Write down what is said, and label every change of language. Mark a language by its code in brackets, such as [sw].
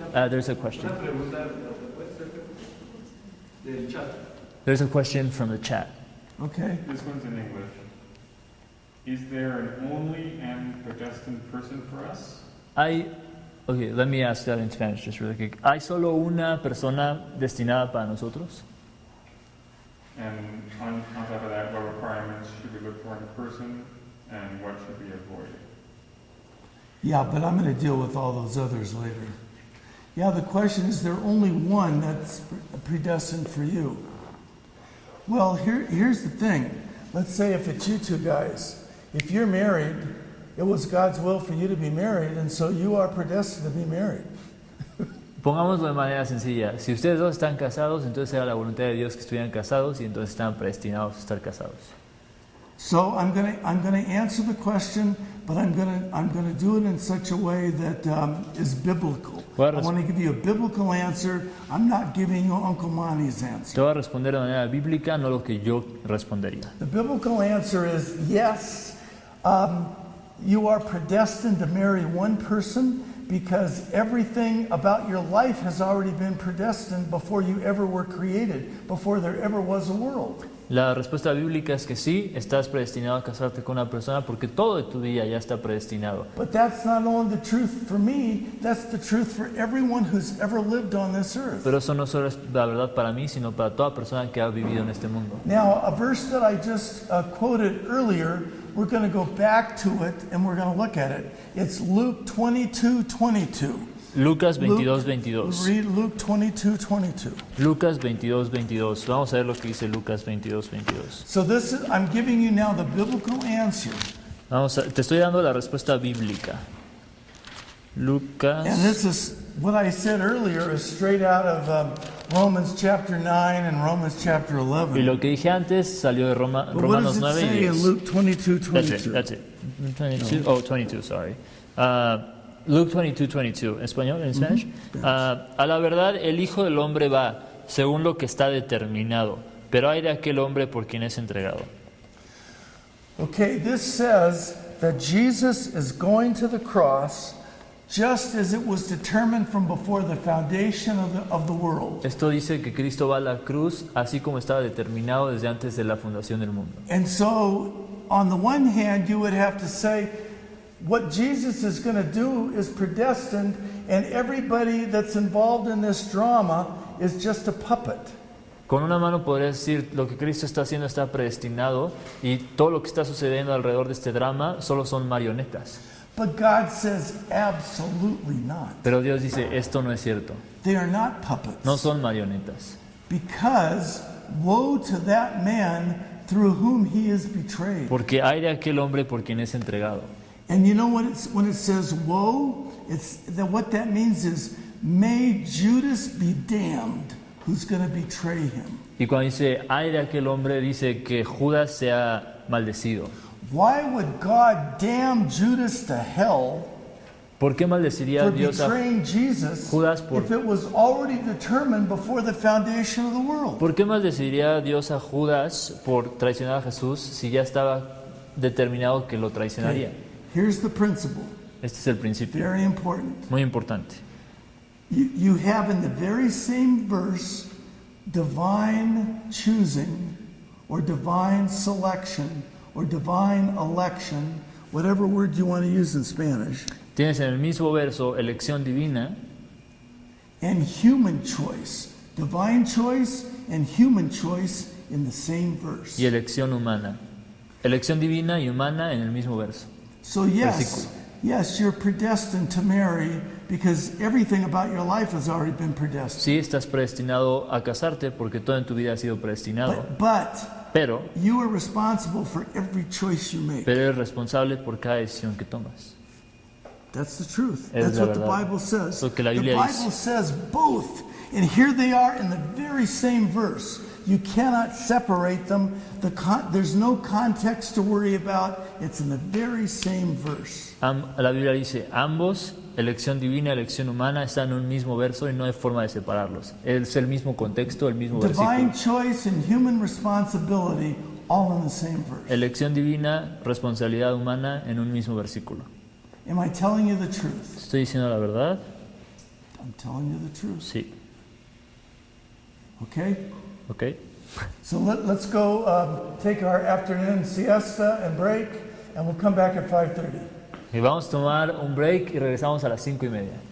[en] There's a question. There's a question from the chat. Okay. This one's in English. Is there an only and predestined person for us? Okay, let me ask that in Spanish just really quick. [es] ¿Hay solo una persona destinada para nosotros? [en] And on top of that, what requirements should we look for in a person and what should we avoid? Yeah, but I'm going to deal with all those others later. Yeah, the question is there only one that's predestined for you? Well, here's the thing. Let's say if it's you two guys, if you're married, it was God's will for you to be married, and so you are predestined to be married. [es] Pongámoslo de manera sencilla. Si ustedes dos están casados, entonces era la voluntad de Dios que estuvieran casados, y entonces están predestinados a estar casados. [en] So I'm gonna answer the question, but I'm gonna do it in such a way that is biblical. I want to give you a biblical answer. I'm not giving you Uncle Monty's answer. [es] Te voy a responder de manera bíblica, no lo que yo respondería. [en] The biblical answer is yes. You are predestined to marry one person because everything about your life has already been predestined before you ever were created, before there ever was a world. [es] La respuesta bíblica es que sí, estás predestinado a casarte con una persona porque todo de tu vida ya está predestinado. [en] But that's not only the truth for me, that's the truth for everyone who's ever lived on this earth. [es] Pero eso no solo es la verdad para mí, sino para toda persona que ha vivido en este mundo. [en] Now, a verse that I just quoted earlier, we're going to go back to it and we're going to look at it. It's Luke 22:22. [es] Lucas 22:22. [en] Read Luke 22:22. [es] Lucas 22:22. Vamos a ver lo que dice Lucas 22:22. [en] So this is, I'm giving you now the biblical answer. [es] Te estoy dando la respuesta bíblica. Lucas. [en] And this is what I said earlier is straight out of Romans chapter 9 and Romans chapter 11. [es] Y lo que dije antes salió de Romanos 9 y 10. [en] But what does it say in Luke 22:22? Sorry. Luke 22:22, español, en Spanish. [es] A la verdad, el Hijo del Hombre va según lo que está determinado, pero hay de aquel hombre por quien es entregado. [en] Okay, this says that Jesus is going to the cross just as it was determined from before the foundation of the world. [es] Esto dice que Cristo va a la cruz así como estaba determinado desde antes de la fundación del mundo. [en] And so, on the one hand, you would have to say what Jesus is going to do is predestined, and everybody that's involved in this drama is just a puppet. [es] Con una mano podría decir lo que Cristo está haciendo está predestinado y todo lo que está sucediendo alrededor de este drama solo son marionetas. [en] But God says absolutely not. [es] Pero Dios dice esto no es cierto. [en] They are not puppets. [es] No son marionetas. [en] Because woe to that man through whom he is betrayed. [es] Porque hay de aquel hombre por quien es entregado. [en] And you know when it says woe, it's that what that means is may Judas be damned. Who's going to betray him? [es] Y cuando dice ay de aquel hombre, dice que Judas sea maldecido. [en] Why would God damn Judas to hell? [es] ¿Por qué maldeciría Dios a Judas [en] if it was already determined before the foundation of the world? [es] ¿Por qué maldeciría Dios a Judas por traicionar a Jesús si ya estaba determinado que lo traicionaría? [en] Okay. Here's the principle. [es] Este es el principio. [en] Very important. [es] Muy importante. [en] You have in the very same verse divine choosing or divine selection or divine election, whatever word you want to use in Spanish. [es] Tienes en el mismo verso elección divina. [en] And human choice. Divine choice and human choice in the same verse. [es] Y elección humana. Elección divina y humana en el mismo verso. [en] So yes, Versículo. Yes, you're predestined to marry. Because everything about your life has already been predestined. [es] Sí, estás predestinado a casarte porque todo en tu vida ha sido predestinado. [en] But you are responsible for every choice you make. [es] Pero eres responsable por cada decisión que tomas. [en] That's the truth. [es] Es [en] That's [es] la [en] what [es] verdad. [en] The Bible says. [es] Lo que la Biblia [en] the Bible [es] dice. [en] Says both. And here they are in the very same verse. You cannot separate them. There's no context to worry about. It's in the very same verse. [es] La Biblia dice ambos. Elección divina, elección humana están en un mismo verso y no hay forma de separarlos. Es el mismo contexto, el mismo [en] divine [es] versículo. [en] Divine choice and human responsibility all in the same verse. [es] Elección divina, responsabilidad humana en un mismo versículo. [en] Am I telling you the truth? [es] ¿Estoy diciendo la verdad? [en] I'm telling you the truth. [es] Sí. [en] Okay? Okay. So let's go take our afternoon siesta and break and we'll come back at 5:30. [es] Y vamos a tomar un break y regresamos a las 5:30.